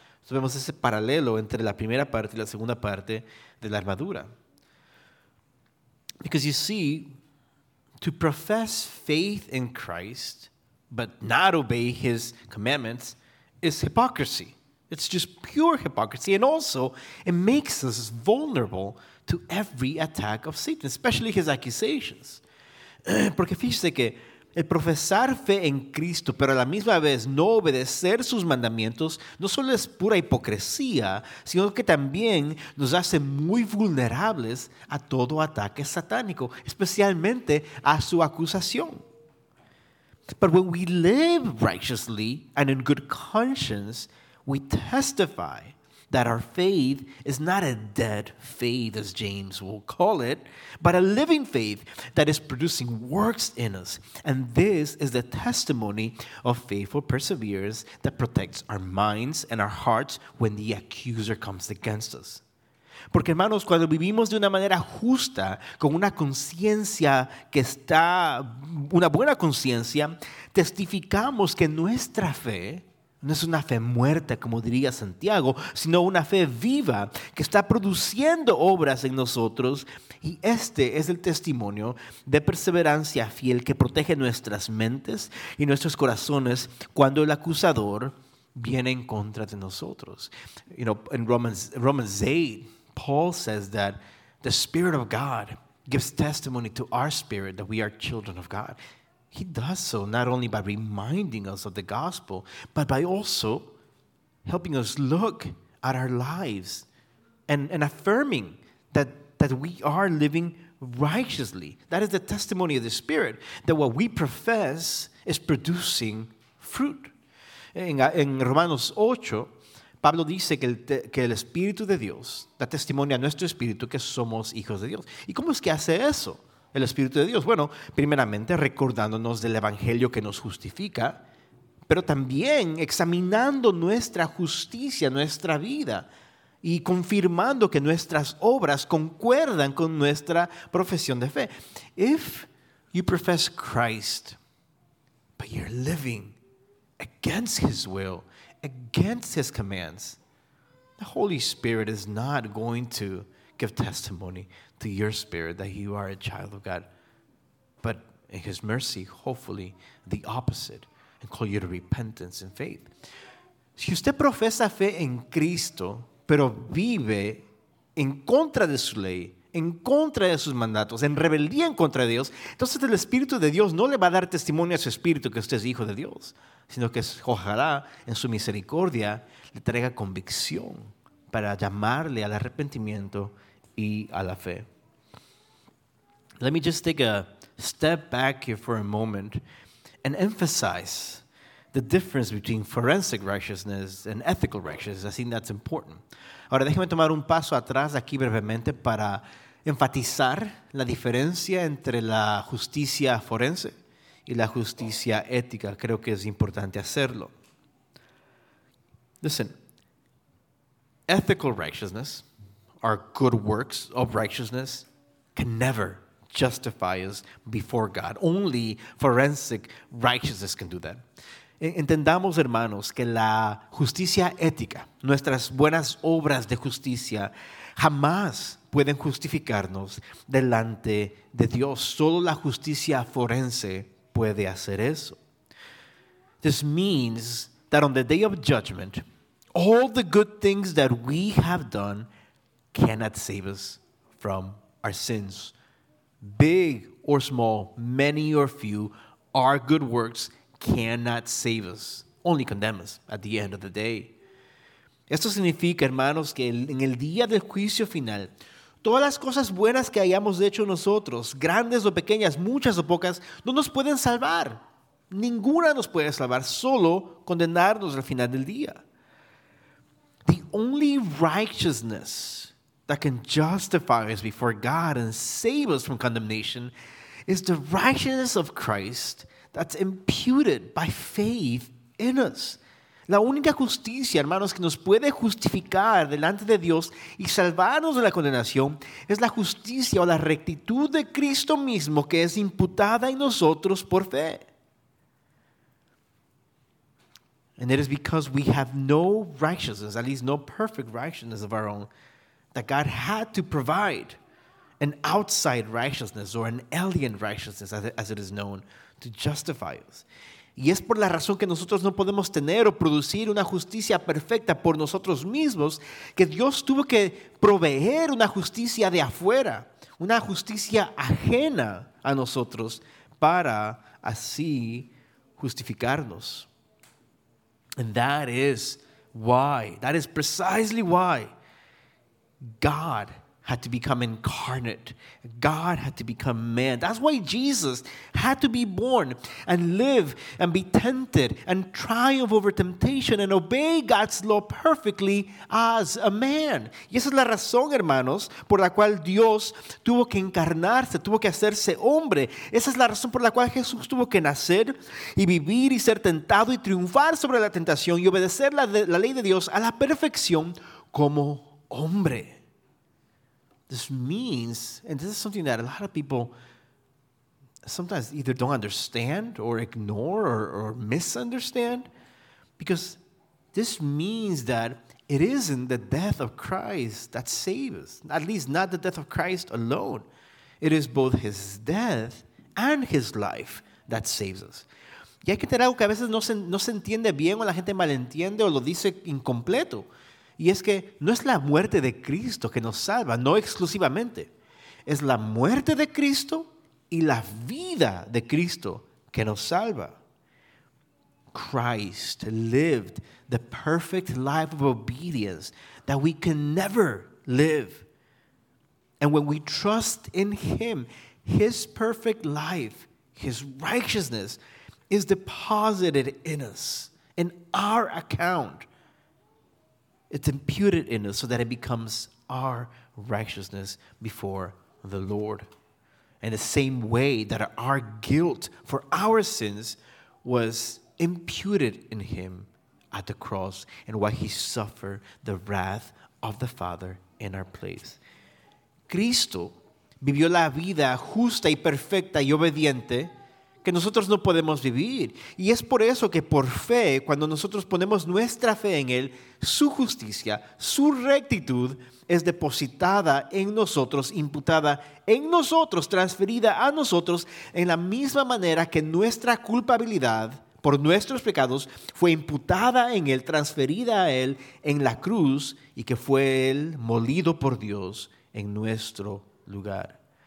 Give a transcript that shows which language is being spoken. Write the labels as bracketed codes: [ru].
[es] Entonces vemos ese paralelo entre la primera parte y la segunda parte de la armadura. [en] Because you see, to profess faith in Christ but not obey his commandments is hypocrisy. It's just pure hypocrisy. And also, it makes us vulnerable to every attack of Satan, especially his accusations. [es] Porque fíjese que el profesar fe en Cristo, pero a la misma vez no obedecer sus mandamientos, no solo es pura hipocresía, sino que también nos hace muy vulnerables a todo ataque satánico, especialmente a su acusación. [en] But when we live righteously and in good conscience, we testify that our faith is not a dead faith, as James will call it, but a living faith that is producing works in us. And this is the testimony of faithful perseverance that protects our minds and our hearts when the accuser comes against us. [es] Porque, hermanos, cuando vivimos de una manera justa, con una conciencia que está, una buena conciencia, testificamos que nuestra fe no es una fe muerta, como diría Santiago, sino una fe viva que está produciendo obras en nosotros. Y este es el testimonio de perseverancia fiel que protege nuestras mentes y nuestros corazones cuando el acusador viene en contra de nosotros. [en] You know, in Romans 8, Paul says that the Spirit of God gives testimony to our spirit that we are children of God. He does so not only by reminding us of the gospel, but by also helping us look at our lives and affirming that we are living righteously. That is the testimony of the Spirit, that what we profess is producing fruit. [es] En Romanos 8, Pablo dice que el Espíritu de Dios da testimonio a nuestro espíritu que somos hijos de Dios. ¿Y cómo es que hace eso? el Espíritu de Dios? Bueno, primeramente recordándonos del Evangelio que nos justifica, pero también examinando nuestra justicia, nuestra vida, y confirmando que nuestras obras concuerdan con nuestra profesión de fe. [en] If you profess Christ, but you're living against His will, against His commands, the Holy Spirit is not going to give testimony to your spirit that you are a child of God. But in His mercy, hopefully, the opposite, and call you to repentance and faith. [es] Si usted profesa fe en Cristo, pero vive en contra de su ley, en contra de sus mandatos, en rebeldía en contra de Dios, entonces el Espíritu de Dios no le va a dar testimonio a su espíritu que usted es hijo de Dios, sino que ojalá en su misericordia le traiga convicción para llamarle al arrepentimiento y a la fe. [en] Let me just take a step back here for a moment and emphasize the difference between forensic righteousness and ethical righteousness. I think that's important. [es] Ahora déjeme tomar un paso atrás aquí brevemente para enfatizar la diferencia entre la justicia forense y la justicia ética. Creo que es importante hacerlo. [en] Listen, ethical righteousness, our good works of righteousness, can never justify us before God. Only forensic righteousness can do that. [es] Entendamos, hermanos, que la justicia ética, nuestras buenas obras de justicia, jamás pueden justificarnos delante de Dios. Solo la justicia forense puede hacer eso. [en] This means that on the day of judgment, all the good things that we have done cannot save us from our sins. Big or small, many or few, our good works cannot save us, only condemn us at the end of the day. [es] Esto significa, hermanos, que en el día del juicio final, todas las cosas buenas que hayamos hecho nosotros, grandes o pequeñas, muchas o pocas, no nos pueden salvar. Ninguna nos puede salvar, solo condenarnos al final del día. [en] The only righteousness that can justify us before God and save us from condemnation is the righteousness of Christ that's imputed by faith in us. [es] La única justicia, hermanos, que nos puede justificar delante de Dios y salvarnos de la condenación es la justicia o la rectitud de Cristo mismo que es imputada en nosotros por fe. [en] And it is because we have no righteousness, at least no perfect righteousness of our own, that God had to provide an outside righteousness or an alien righteousness, as it is known, to justify us. [es] Y es por la razón que nosotros no podemos tener o producir una justicia perfecta por nosotros mismos que Dios tuvo que proveer una justicia de afuera, una justicia ajena a nosotros para así justificarnos. [en] And that is why, that is precisely why God had to become incarnate. God had to become man. That's why Jesus had to be born and live and be tempted and triumph over temptation and obey God's law perfectly as a man. [es] Y esa es la razón, hermanos, por la cual Dios tuvo que encarnarse, tuvo que hacerse hombre. Esa es la razón por la cual Jesús tuvo que nacer y vivir y ser tentado y triunfar sobre la tentación y obedecer la ley de Dios a la perfección como hombre. [en] This means, and this is something that a lot of people sometimes either don't understand or ignore or misunderstand, because this means that it isn't the death of Christ that saves us, at least not the death of Christ alone. It is both His death and His life that saves us. [es] Y hay que tener algo que a veces no se entiende bien o la gente malentiende o lo dice incompleto. Y es que no es la muerte de Cristo que nos salva, no exclusivamente. Es la muerte de Cristo y la vida de Cristo que nos salva. [en] Christ lived the perfect life of obedience that we can never live. And when we trust in Him, His perfect life, His righteousness is deposited in us, in our account. It's imputed in us so that it becomes our righteousness before the Lord. In the same way that our guilt for our sins was imputed in him at the cross, and why he suffered the wrath of the Father in our place. [es] Cristo vivió la vida justa y perfecta y obediente que nosotros no podemos vivir. Y es por eso que por fe, cuando nosotros ponemos nuestra fe en Él, su justicia, su rectitud es depositada en nosotros, imputada en nosotros, transferida a nosotros, en la misma manera que nuestra culpabilidad por nuestros pecados fue imputada en Él, transferida a Él en la cruz, y que fue Él molido por Dios en nuestro lugar.